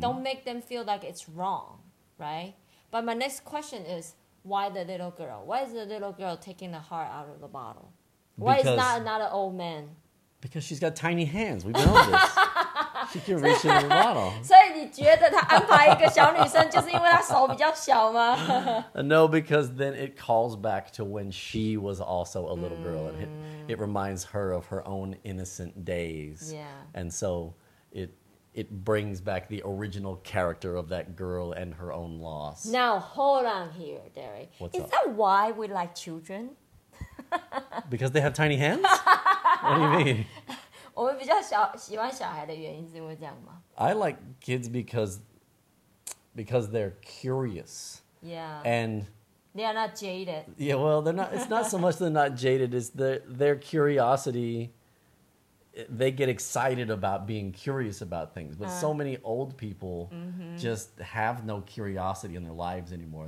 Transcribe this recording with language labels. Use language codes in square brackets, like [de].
[en] Don't make them feel like it's wrong, right? But my next question is, why the little girl? Why is the little girl taking the heart out of the bottle? Why because, is not another old man? Because she's got tiny hands. We know this. She can reach into the bottle. [zh] 所以你觉得他安排一个小女生就是因为她手比较小吗？ [en] No, because then it calls back to when she was also a little girl. And it reminds her of her own innocent days. Yeah. And so it brings back the original character of that girl and her own loss. Now, hold on here, Derry. What's up? Is that why we like children? Because they have tiny hands? What do you mean? [zh] 我们比较小喜欢小孩的原因是因为这样吗？ [en] I like kids because they're curious. Yeah. And... They are not jaded. Yeah, well, they're not. It's not so much they're not jaded. It's their curiosity. They get excited about being curious about things. But so many old people just have no curiosity in their lives anymore.